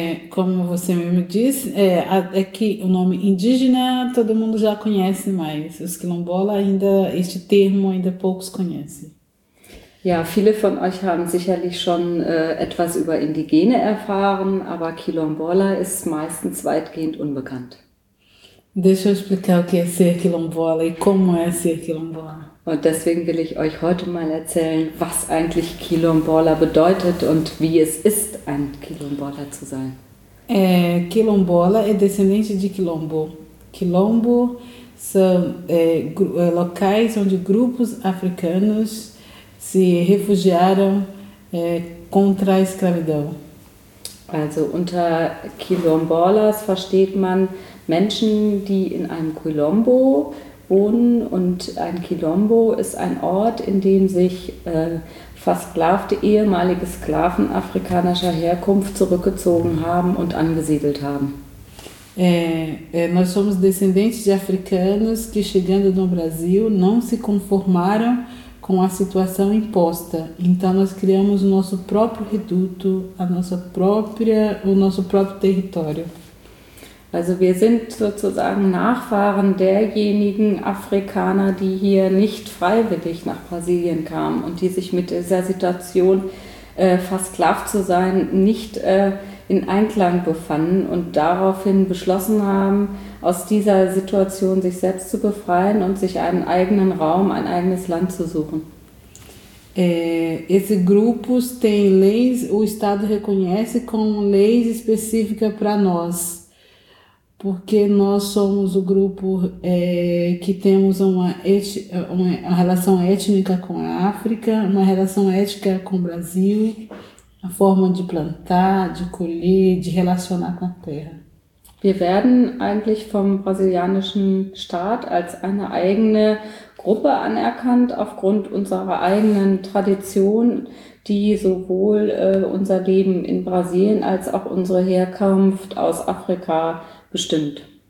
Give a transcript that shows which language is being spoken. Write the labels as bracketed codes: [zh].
[pt] Como você mesmo disse, é que o nome indígena todo mundo já conhece, mas os quilombola ainda, este termo ainda poucos conhecem. [de] Ja, viele von euch haben sicherlich schon etwas über Indigene erfahren, aber Quilombola ist meistens weitgehend unbekannt. [pt] Deixa eu explicar o que é ser quilombola e como é ser quilombola. [de] Und deswegen will ich euch heute mal erzählen, was eigentlich Quilomboler bedeutet und wie es ist, ein Quilomboler zu sein. [pt] Quilombola é descendente de quilombo. Quilombo são locais onde grupos africanos se refugiaram contra a escravidão. [de] Also unter Quilombolas versteht man Menschen, die in einem Quilombo wohnen, und ein Quilombo ist ein Ort, in dem sich versklavte, ehemalige Sklaven afrikanischer Herkunft zurückgezogen haben und angesiedelt haben. [pt] Nós somos descendentes de africanos que, chegando no Brasil, não se conformaram com a situação imposta. Então nós criamos o nosso próprio reduto, o nosso próprio território. [de] Also wir sind sozusagen Nachfahren derjenigen Afrikaner, die hier nicht freiwillig nach Brasilien kamen und die sich mit dieser Situation, versklavt zu sein, nicht in Einklang befanden und daraufhin beschlossen haben, aus dieser Situation sich selbst zu befreien und sich einen eigenen Raum, ein eigenes Land zu suchen. [pt] Esses grupos têm leis, o Estado reconhece como leis específicas para nós. Porque nós somos o grupo que temos uma relação étnica com a África, uma relação ética com o Brasil, a forma de plantar, de colher, de relacionar com a terra. [de] Wir werden eigentlich vom brasilianischen Staat als eine eigene Gruppe anerkannt, aufgrund unserer eigenen Tradition, die sowohl unser Leben in Brasilien als auch unsere Herkunft aus Afrika bestimmt.